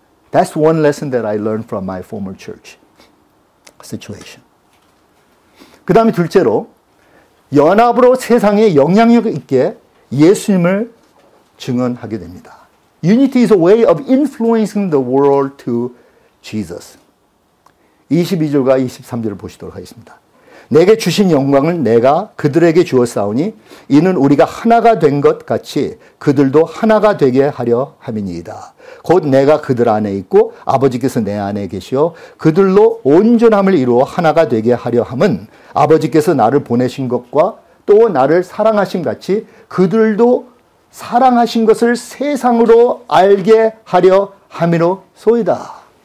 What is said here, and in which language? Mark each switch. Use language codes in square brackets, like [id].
[en] That's one lesson that I learned from my former church situation. [ko] 그 다음에 둘째로 연합으로 세상에 영향력 있게 예수님을 증언하게 됩니다. [en] Unity is a way of influencing the world to Jesus. [ko] 22절과 23절을 보시도록 하겠습니다. 내게 주신 영광을 내가 그들에게 주었사오니 이는 우리가 하나가 된 것 같이 그들도 하나가 되게 하려 함이니이다. 곧 내가 그들 안에 있고 아버지께서 내 안에 계시어 그들로 온전함을 이루어 하나가 되게 하려 함은 아버지께서 나를 보내신 것과 또 나를 사랑하신 같이 그들도 사랑하신 것을 세상으로 알게 하려 함이로소이다.